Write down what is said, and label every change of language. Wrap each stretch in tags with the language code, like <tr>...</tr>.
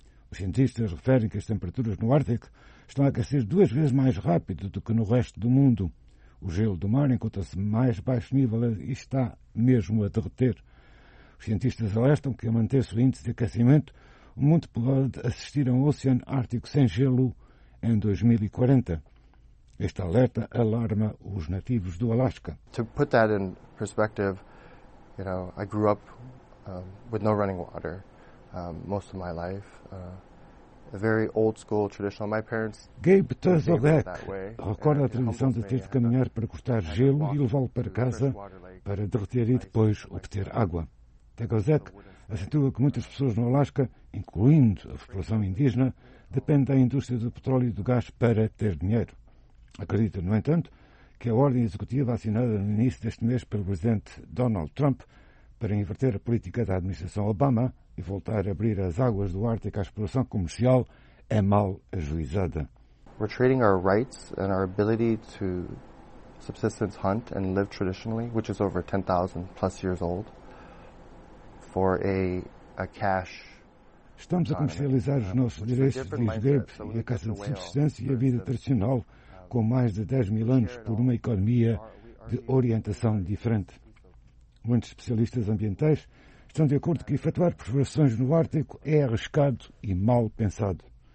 <pt>Os cientistas referem que as temperaturas no Ártico estão a aquecer 2 vezes mais rápido do que no resto do mundo. O gelo do mar encontra-se mais baixo nível e está mesmo a derreter. Os cientistas alertam que, a manter-se o índice de aquecimento, o mundo pode assistir a um oceano ártico sem gelo em 2040. Este alerta alarma os nativos do Alasca.</pt> <en>To put that in perspective, you know, I grew up with no running water most of my life,</en> <pt>Gabe Tozodek recorda a tradição de ter de caminhar para cortar gelo e levá-lo para casa para derreter e depois obter água. Tegozek assentiu que muitas pessoas no Alasca, incluindo a população indígena, dependem da indústria do petróleo e do gás para ter dinheiro. Acredita, no entanto, que a ordem executiva assinada no início deste mês pelo presidente Donald Trump para inverter a política da administração Obama e voltar a abrir as águas do Ártico à exploração comercial é mal ajuizada.</pt> <en>We're trading our rights and our ability to subsistence hunt and live traditionally, which is over 10,000 plus years old, for a cash.</en> <pt>Estamos a comercializar os nossos direitos de vida e a caça de subsistência e a vida tradicional com mais de 10 mil anos por uma economia de orientação diferente. Muitos especialistas ambientais estão de acordo que efetuar perfurações no Ártico é arriscado e mal pensado.</pt>